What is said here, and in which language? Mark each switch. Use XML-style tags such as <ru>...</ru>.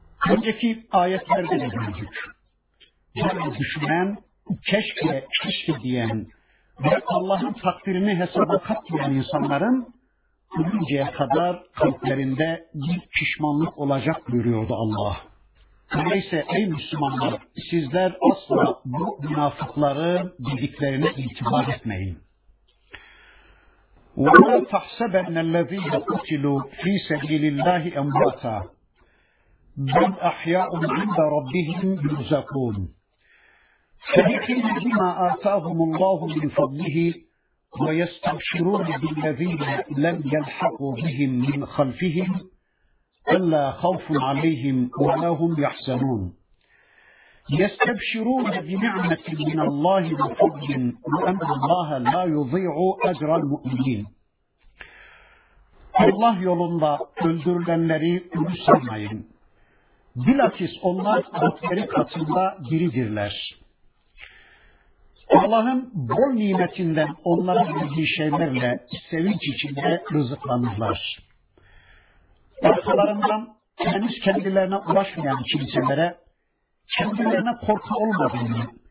<tr>Önceki ayetlerde de gördük. Yani düşünen, keşke, keşke diyen ve Allah'ın takdirini hesaba katmayan insanların ölünceye kadar kalplerinde bir pişmanlık olacak buyuruyordu Allah. Öyleyse ey Müslümanlar, sizler asla bu münafıkların dediklerine itibar etmeyin.</tr> <ar>وَلَا تَحْسَبَنَّ الَّذ۪ينَ قُتِلُوا ف۪ي سَب۪يلِ اللّٰهِ اَمْوَاتًا بَلْ اَحْيَاءٌ عِنْدَ رَبِّهِمْ يُرْزَقُونَ فَيَقِينَ بِمَا آتَاهُمُ اللّٰهُ مِنْ فَضْلِهِ وَيَسْتَبْشِرُونَ بِالَّذ۪ينَ لَمْ يَلْحَقُوا بِهِمْ مِنْ خَلْفِهِمْ أَلَّا خَوْفٌ عَلَيْهِمْ وَلَا هُمْ يَحْزَنُونَ يَسْتَبْشِرُونَ بِنِعْمَةٍ مِنَ اللَّهِ وَفَضْلٍ وَأَنَّ اللَّهَ لَا يُضِيعُ أَجْرَ الْمُؤْمِنِينَ</ar> <tr>Allah yolunda öldürülenleri ölü sanmayın. Bilakis onlar Rableri katında diridirler. Allah'ın bol nimetinden onlara verdiği şeylerle sevinç içinde rızıklanırlar. Arkalarından henüz kendilerine ulaşmayan kimselere, kendilerine korku olmadığını,</tr>